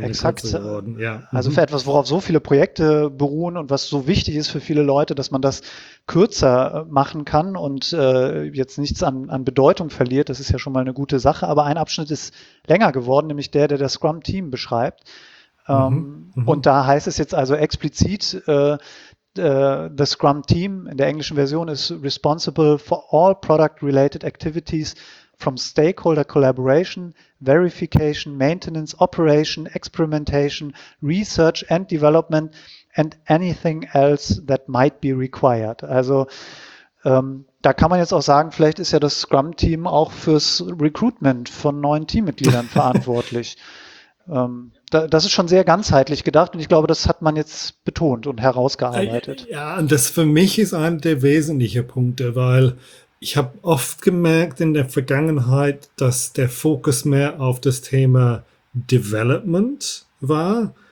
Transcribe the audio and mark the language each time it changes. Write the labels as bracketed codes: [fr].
[de] exakt ist kürzer geworden. Ja. Also für etwas, worauf so viele Projekte beruhen und was so wichtig ist für viele Leute, dass man das kürzer machen kann und jetzt nichts an Bedeutung verliert, das ist ja schon mal eine gute Sache. Aber ein Abschnitt ist länger geworden, nämlich der das Scrum-Team beschreibt. Und da heißt es jetzt also explizit, [en] the Scrum Team [de] in der englischen Version [en] ist responsible for all product-related activities from stakeholder collaboration, verification, maintenance, operation, experimentation, research and development and anything else that might be required. [de] Also da kann man jetzt auch sagen, vielleicht ist ja das Scrum-Team auch fürs Recruitment von neuen Teammitgliedern verantwortlich. Das ist schon sehr ganzheitlich gedacht und ich glaube, das hat man jetzt betont und herausgearbeitet. Ja, und das für mich ist einer der wesentlichen Punkte, weil ich habe oft gemerkt in der Vergangenheit, dass der Fokus mehr auf das Thema Development war.